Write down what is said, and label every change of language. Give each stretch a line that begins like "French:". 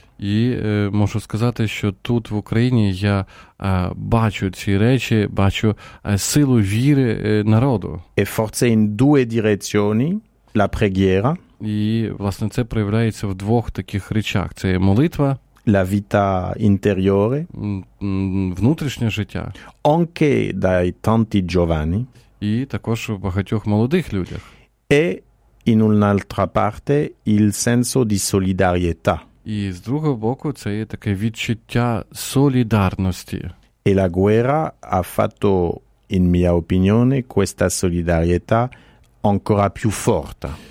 Ukrainian: І можу сказати, що тут в Україні я бачу ці речі, бачу силу віри народу.
Italian: E forse in due direzioni la preghiera.
Ukrainian: І, власне, це проявляється в двох таких речах. Це молитва,
Italian: la vita interiore,
Ukrainian: внутрішнє життя.
Italian: Anche dai tanti giovani.
Ukrainian: І також у багатьох молодих людях.
Italian: E in un'altra parte il senso di solidarietà.
Ukrainian: І з другого боку, це є таке відчуття солідарності.
Italian: E la guerra ha fatto, in mia opinione, questa solidarietà ancora più forte.